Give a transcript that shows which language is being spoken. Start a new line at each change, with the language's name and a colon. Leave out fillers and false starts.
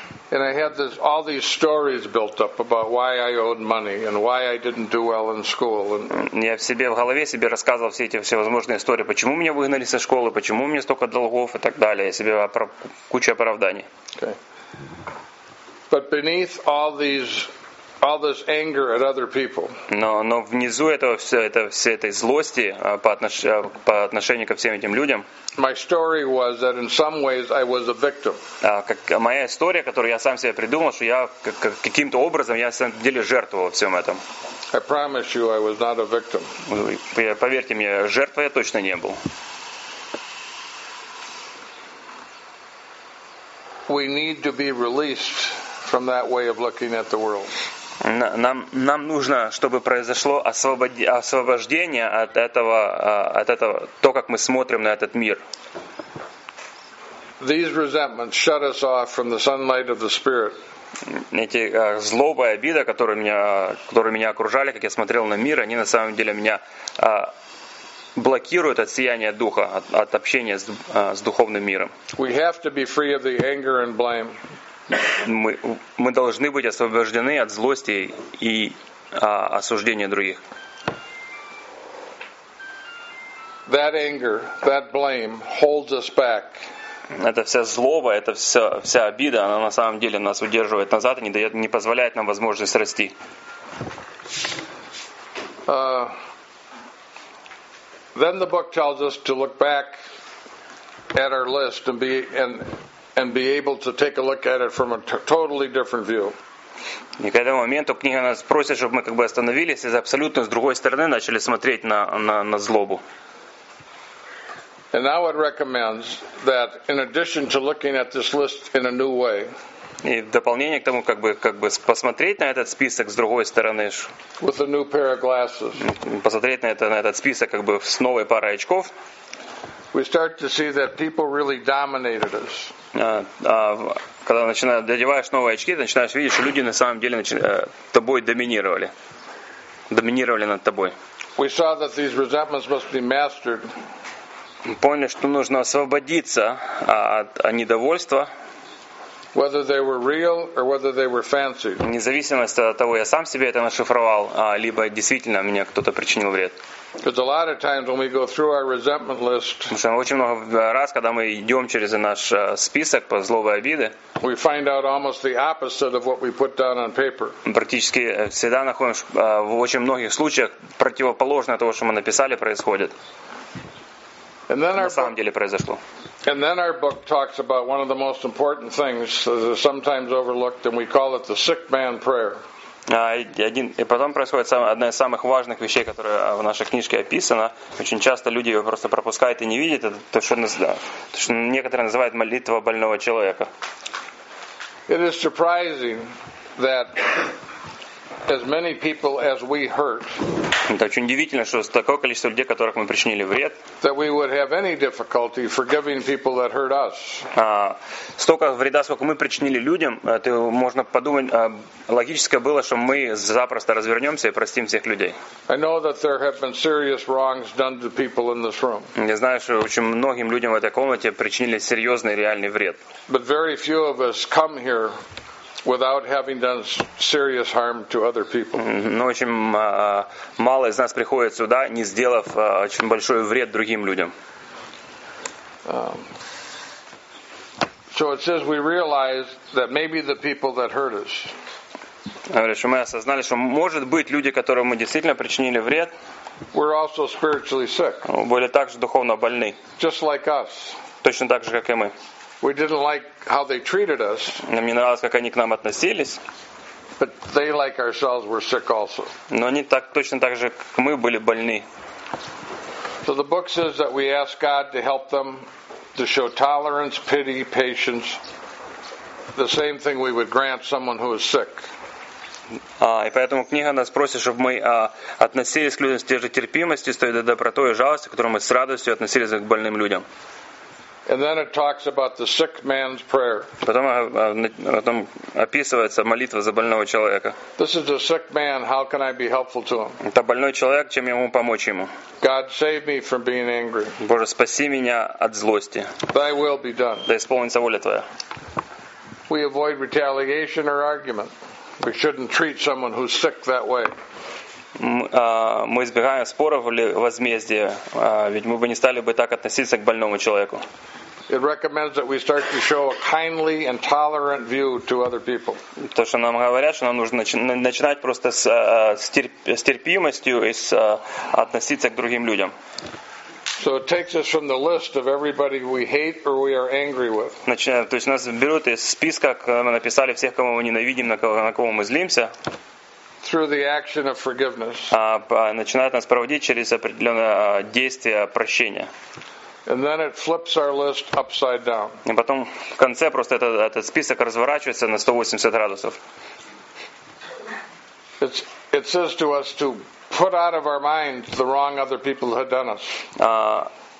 English: And I had this, all these stories built up about why I owed money and why I didn't do well in school. And
Russian: я в голове себе рассказывал все эти всевозможные истории, почему меня выгнали со школы, почему у меня столько долгов и так далее. Я себе куча оправданий.
English: Okay. But beneath all this anger at other people.
Russian: Но внизу этого всей этой злости по отношению ко всем этим людям.
English: My story was that in some ways I was a victim.
Russian: Моя история, которую я сам себе придумал, что я каким-то образом я на самом деле жертвовал всем этом.
English: I promise you, I was not a victim.
Russian: Поверьте мне, жертвой я точно не был.
English: We need to be released from that way of looking at the world.
Russian: Нам нужно, чтобы произошло освобождение от этого, то, как мы смотрим на этот мир.
English: These resentments shut us off from the sunlight of the Spirit.
Russian: Эти злоба и обида, которые меня окружали, как я смотрел на мир, они на самом деле меня блокируют от сияния Духа, от общения с духовным миром.
English: We have to be free of the anger and blame.
Russian: Мы должны быть освобождены от злости и осуждения других.
English: That anger, that blame holds us back.
Russian: Это вся злоба, это вся обида, она на самом деле нас удерживает назад и не позволяет нам возможность расти.
English: Then the book tells us to look back at our list and be able to take a look at it from a totally different view.
Russian: И к этому моменту книга нас просит, чтобы мы как бы остановились и абсолютно с другой стороны начали смотреть на злобу.
English: And now it recommends that in addition to looking at this list in a new way.
Russian: И в дополнение к тому, как бы посмотреть на этот список с другой стороны.
English: With a new pair of glasses.
Russian: Посмотреть на этот список как бы с новой парой очков.
English: We start to see that people really dominated us.
Russian: Когда начинаешь надеваешь новые очки, ты начинаешь видеть, что люди на самом деле тобой доминировали над тобой.
English: We saw that these resentments must be mastered.
Russian: Поняли, что нужно освободиться от недовольства.
English: Whether they were real or whether they were fancied.
Russian: Независимо от того, я сам себе это нашифровал, либо действительно мне кто-то причинил вред.
English: Because a lot of times when we go through our resentment list,
Russian: очень много раз, когда мы идем через наш список по злобе и обиде,
English: we find out almost the opposite of what we put down on paper.
Russian: Практически всегда находим, в очень многих случаях противоположное того, что мы написали, происходит.
English: And then
Russian: на самом деле произошло.
English: And then our book talks about one of the most important things that is sometimes overlooked, and we call it the sick man prayer.
Russian: И потом происходит одна из самых важных вещей, которая в нашей книжке описана. Очень часто люди ее просто пропускают и не видят. Это то, что некоторые называют молитва больного человека.
English: It is surprising that as many people as we hurt.
Russian: Это очень удивительно, что такое количество людей, которых мы причинили вред.
English: That we would have any difficulty forgiving people that hurt us.
Russian: Столько вреда, сколько мы причинили людям, это можно подумать, логическое было, что мы запросто развернемся и простим всех людей.
English: I know that there have been serious wrongs done to people in this room.
Russian: Я знаю, что очень многим людям в этой комнате причинили серьезный реальный вред.
English: But very few of us come here without having done serious harm to other people.
Russian: Но очень мало из нас приходит сюда, не сделав очень большой вред другим людям.
English: So it says we realize that maybe the people that hurt us.
Russian: Говорит, что мы осознали, что может быть люди, которым мы действительно причинили вред,
English: were also spiritually sick.
Russian: Были также духовно больны.
English: Just like us.
Russian: Точно так же, как и мы.
English: We didn't like how they treated us.
Russian: Нам не нравилось, как они к нам относились.
English: But they, like ourselves, were sick also.
Russian: Но они так точно так же, как мы, были больны.
English: So the book says that we ask God to help them to show tolerance, pity, patience. The same thing we would grant someone who is sick.
Russian: И поэтому книга нас просит, чтобы мы относились к людям с той же терпимостью, с той же добротой и жалостью, к которой мы с радостью относились к больным людям.
English: And then it talks about the sick man's prayer.
Russian: Потом описывается молитва за больного человека.
English: This is a sick man. How can I be helpful to him?
Russian: Это больной человек. Чем я могу помочь ему?
English: God save me from being angry.
Russian: Боже, спаси меня от злости.
English: Thy will be done.
Russian: Да исполнится воля твоя.
English: We avoid retaliation or argument. We shouldn't treat someone who's sick that way.
Russian: Мы избегаем споров или возмездия, ведь мы бы не стали бы так относиться к больному человеку.
English: It recommends that we start to show a kindly and tolerant view to other people.
Russian: То, что нам говорят, что нам нужно начинать просто с терпимостью и относиться к другим людям.
English: So it takes us from the list of everybody we hate or we are angry with.
Russian: То есть нас берут из списка, когда мы написали всех, кого мы ненавидим, на кого мы злимся.
English: Through the action of forgiveness.
Russian: Начинает нас проводить через определенное действие прощения.
English: And then it flips our list upside down.
Russian: И потом в конце просто этот список разворачивается на 180 градусов.
English: It says to us to put out of our minds the wrong other people had done us.